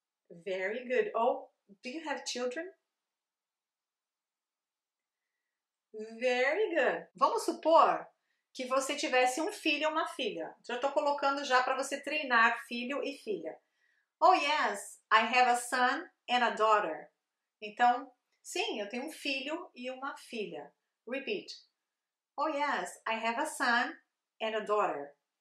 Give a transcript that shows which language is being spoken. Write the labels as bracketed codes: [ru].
[en] Very good. Oh, do you have children? Very good. [pt] Vamos supor que você tivesse um filho e uma filha. Então, eu estou colocando já para você treinar filho e filha. [en] Oh, yes, I have a son and a daughter. [pt] Então, sim, eu tenho um filho e uma filha. [en] Repeat. Oh, yes, I have a son and a daughter.